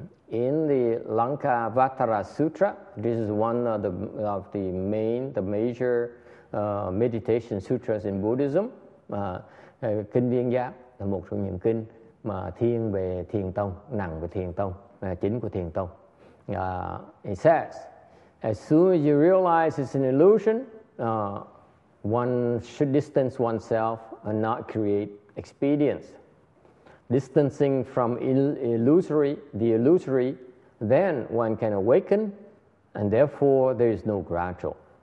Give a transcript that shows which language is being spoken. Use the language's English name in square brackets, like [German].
[English] In the Lanka Vajra Sutra, this is one of the major meditation sutras in Buddhism. [Vietnamese] Kinh Viên Giác là một trong những kinh mà thiên về thiền tông, nặng về thiền tông, chính của thiền tông. [English] It says, as soon as you realize it's an illusion, one should distance oneself and not create expedience. Distancing from the illusory, then one can awaken, and therefore there is no gradual.